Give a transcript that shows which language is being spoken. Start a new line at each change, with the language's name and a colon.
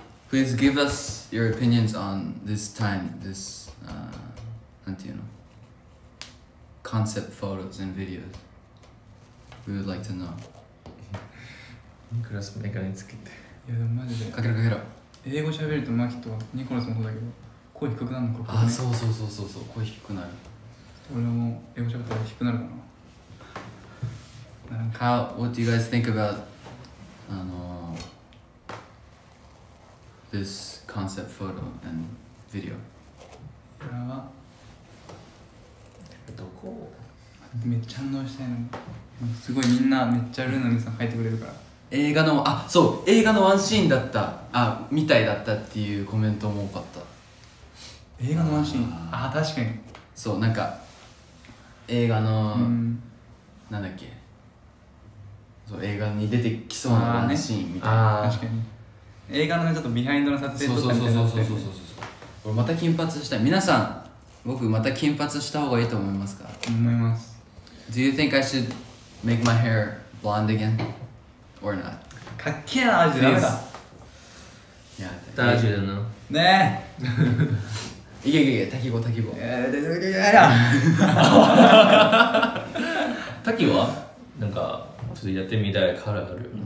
English: Please give us your opinions on this time, this,
Japanese: なんていうの
English: concept photos and videos. We would like to know.
Japanese: ニコラスもメガネつけて。いやでもマジでかけろかけろ。英語喋るとマキとニコラスもそうだけど声低くなるのか、ここね。あ、そうそうそうそうそう、声低くなる。俺も英語喋ったら低くなるかな。
English: How, what do you guys think about this concept photo and video?
Japanese: これはどこ？めっちゃ反応したいの。すごいみんなめっちゃルーナミさん入ってくれるから。映画の、あ、そう、映画のワンシーンだった、あ、みたいだったっていうコメントも多かった。映画のワンシーン、あー、確かに。そう、なんか映画の、なんだっけ、そう、映画に出てきそうなワンシーンみたいな、ね、確かに。映画のね、ちょっとビハインドの撮影とかみたいな。そうそうそうそうそう。俺また金髪したい。皆さん、僕また金髪した方がいいと思いますか？思います。
English: Do you think I should make my hair blonde again? Or not?
Japanese: かっけえな、アジュダメだ。いや、ダージュだな。ねえ。いけいけいけ、タキゴタキゴ。いやいやいや、タキはなんかちょっとやってみたいカラーある。